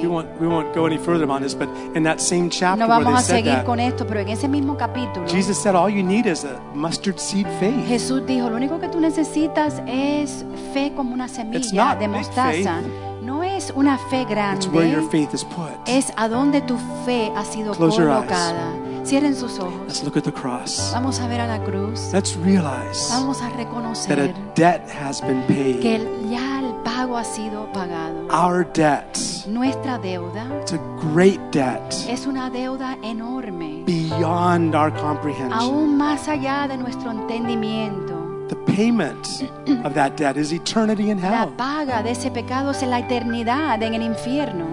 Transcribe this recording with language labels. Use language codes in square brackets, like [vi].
[en] We won't go any further on this, but in that same chapter, [es] no vamos [en] where they [es] a seguir [en] said that, [es] con esto, pero en ese mismo capítulo, [en] Jesus said, "All you need is a mustard seed faith." [es] Jesús dijo, lo único que tú necesitas es fe como una semilla de mostaza. No es una fe grande. [en] It's where your faith is put. [es] Es a donde tu fe ha sido [en] Close [es] colocada. [en] Your eyes. [es] Cierren sus ojos. [en] Let's look at the cross. [es] Vamos a ver a la cruz. [en] Let's realize [es] Vamos a reconocer [en] that a debt has been paid. [es] Que ya el pago ha sido pagado. [en] Our debt. [es] Nuestra deuda. [en] It's a great debt. [es] Es una deuda enorme. [en] Beyond our comprehension. [es] Aún más allá de nuestro entendimiento. [en] The payment of that debt is eternity in hell. [es] La paga de ese pecado es la eternidad en el infierno.